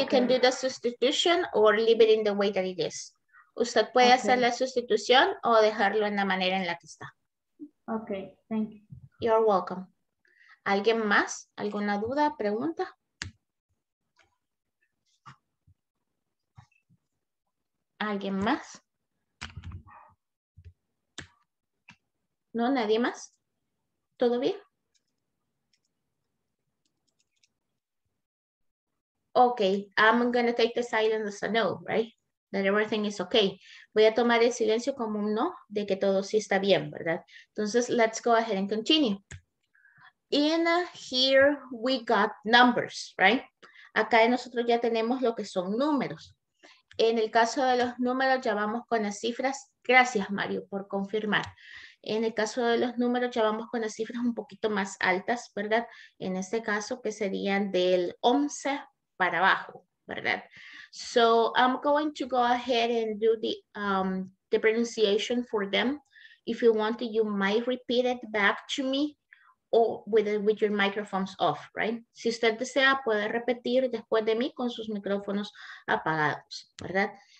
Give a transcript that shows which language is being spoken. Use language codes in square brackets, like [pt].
[en] You can do the substitution or leave it in the way that it is. [es] Usted puede okay. hacer la sustitución o dejarlo en la manera en la que está. [en] Okay, thank you. You're welcome. [es] ¿Alguien más? ¿Alguna duda, pregunta? ¿Alguien más? ¿No, nadie más? ¿Todo bien? [en] Okay, I'm going to take the silence as a no, right? That everything is okay. [es] Voy a tomar el silencio como un no, de que todo sí está bien, ¿verdad? [en] Entonces, let's go ahead and continue. In here, we got numbers, right? [es] Acá nosotros ya tenemos lo que son números. En el caso de los números, ya vamos con las cifras. Gracias, Mario, por confirmar. En el caso de los números, ya vamos con las cifras un poquito más altas, ¿verdad? En este caso, que serían del 11 para abajo, ¿verdad? [en] So, I'm going to go ahead and do the pronunciation for them. If you want to, you might repeat it back to me or with your microphones off, right? [es] Si usted desea, puede repetir después de mí con sus micrófonos apagados, ¿verdad?